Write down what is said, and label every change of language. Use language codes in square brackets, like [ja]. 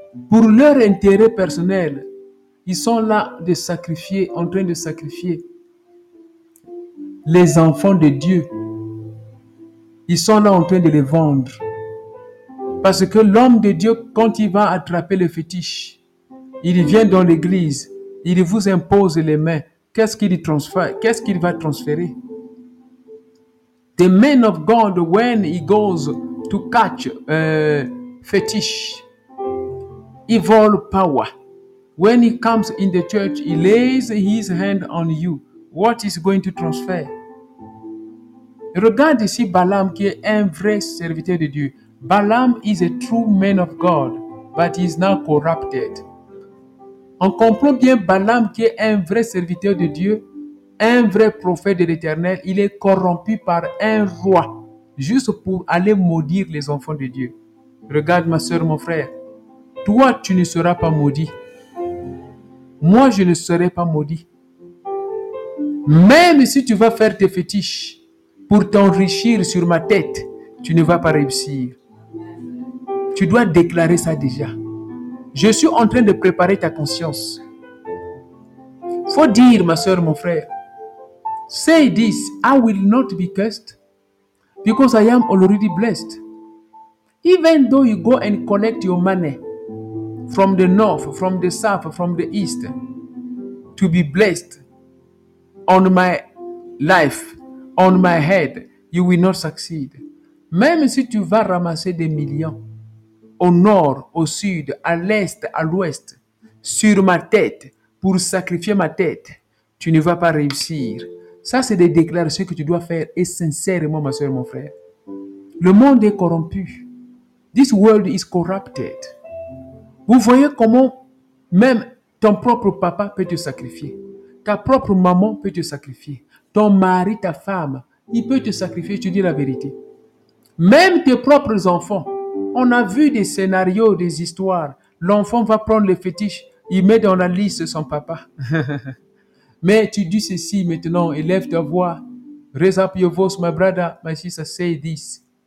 [fr] Pour leur intérêt personnel, ils sont là de sacrifier, en train de sacrifier les enfants de Dieu. Ils sont là en train de les vendre. Parce que l'homme de Dieu, quand il va attraper le fétiche, il vient dans l'église, il vous impose les mains. Qu'est-ce qu'il va transférer? [en] The man of God, when he goes to catch fetish, evil power. When he comes in the church, he lays his hand on you. What is going to transfer? [fr] Regarde ici Balaam qui est un vrai serviteur de Dieu. [en] Balaam is a true man of God, but he is now corrupted. [fr] On comprend bien Balaam qui est un vrai serviteur de Dieu, un vrai prophète de l'Éternel. Il est corrompu par un roi juste pour aller maudire les enfants de Dieu. Regarde ma soeur, mon frère. Toi, tu ne seras pas maudit. Moi, je ne serai pas maudit. Même si tu vas faire tes fétiches pour t'enrichir sur ma tête, tu ne vas pas réussir. Tu dois déclarer ça déjà. Je suis en train de préparer ta conscience. Faut dire, ma soeur, mon frère, [en] say this, I will not be cursed because I am already blessed. Even though you go and collect your money from the north, from the south, from the east to be blessed on my life, on my head, you will not succeed. [fr] Même si tu vas ramasser des millions, au nord, au sud, à l'est, à l'ouest, sur ma tête, pour sacrifier ma tête, tu ne vas pas réussir. Ça, c'est des déclarations que tu dois faire, et sincèrement, ma soeur, mon frère. Le monde est corrompu. [en] This world is corrupted. [fr] Vous voyez comment même ton propre papa peut te sacrifier. Ta propre maman peut te sacrifier. Ton mari, ta femme, il peut te sacrifier, je te dis la vérité. Même tes propres enfants. On a vu des scénarios, des histoires. L'enfant va prendre le fétiche, il met dans la liste son papa. Mais tu dis ceci maintenant, élève ta voix. [en] Raise up your voice, my brother, my sister, say this.